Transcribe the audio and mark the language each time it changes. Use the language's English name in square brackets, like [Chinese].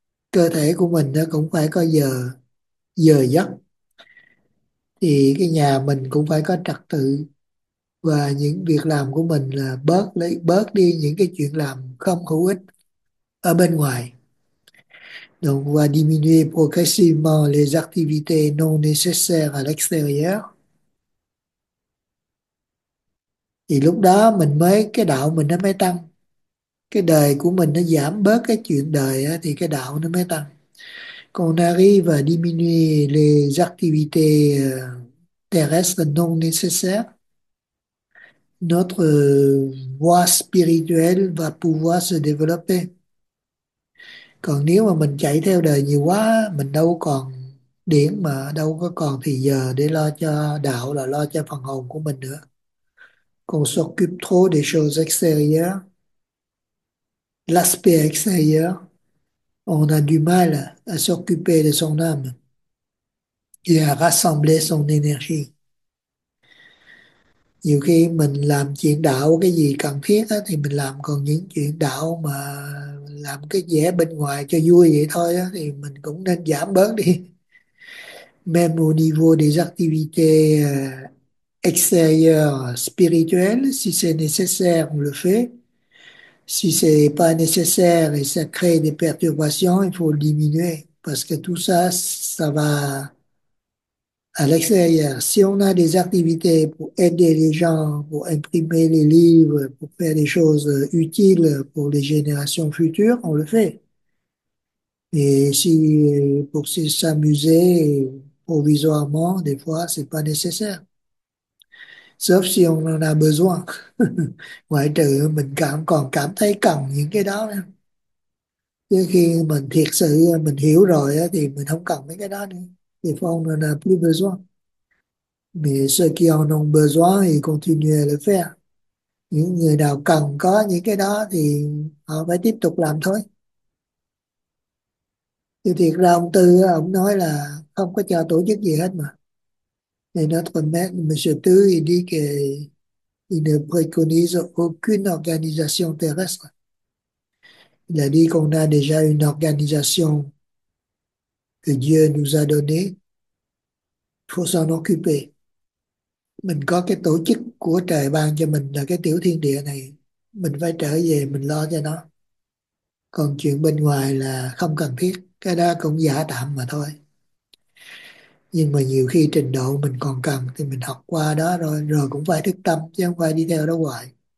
[Vietnamese] Cơ thể của mình nó cũng phải có giờ giờ giấc. Thì cái nhà mình cũng phải có trật tự. Và những việc làm của mình là bớt đi những cái chuyện làm không hữu ích ở bên ngoài. [French] Donc, và diminuer progressivement les activités non nécessaires à l'extérieur. [Vietnamese] Thì lúc đó mình mới cái đạo mình nó mới tăng. Cái đời của mình nó giảm bớt cái chuyện đời á, thì cái đạo nó mới tăng. [French] Còn arrive và diminuer les activités terrestres non nécessaires, notre voie spirituelle va pouvoir se développer. [Vietnamese] Còn nếu mà mình chạy theo đời nhiều quá, mình đâu còn điển mà đâu có còn thì giờ để lo cho đạo, là lo cho phần hồn của mình nữa. [French] Còn s'occupe trop des choses extérieures, l'aspect extérieur, on a du mal à s'occuper de son âme et à rassembler son énergie. [Vietnamese] Nhiều khi mình làm chuyện đạo cái gì cần thiết á, thì mình làm, còn những chuyện đạo mà làm cái vẻ bên ngoài cho vui vậy thôi á, thì mình cũng nên giảm bớt đi. [French] Même au niveau des activités extérieures spirituelles, si c'est nécessaire, on le fait. Si c'est pas nécessaire et ça crée des perturbations, il faut le diminuer. Parce que tout ça, ça va Alex, si on a des activités pour aider les gens, pour imprimer les livres, pour faire des choses utiles pour les générations futures, on le fait. Et si pour s'amuser provisoirement, des fois, c'est pas nécessaire. Sauf si on en a besoin. [Vietnamese] Ngoại trừ mình còn cảm thấy cần những cái đó. Chứ khi mình thiệt sự mình hiểu rồi thì mình không cần mấy cái đó nữa. Thì phong là [French] plus besoin. Mais ceux qui en ont besoin, ils continuent à le faire. [Vietnamese] Những người nào cần có những cái đó thì họ phải tiếp tục làm thôi. Thì thiệt ra ông Tư, ông nói là không có cho tổ chức gì hết mà. [French] Et notre maître, M. Tư, il dit qu'il ne préconise aucune organisation terrestre. Il a dit qu'on a déjà une organisation que Dieu nous a donné, il faut s'en occuper. [Vietnamese] Mình có cái tổ chức của trời ban cho mình là cái tiểu thiên địa này, mình phải trở về mình lo cho nó. Còn chuyện bên ngoài là không cần thiết, cái đó cũng giả tạm mà thôi. Nhưng mà nhiều khi trình độ mình còn cần thì mình học qua đó rồi, rồi cũng phải thức tâm chứ không phải đi theo đó hoài.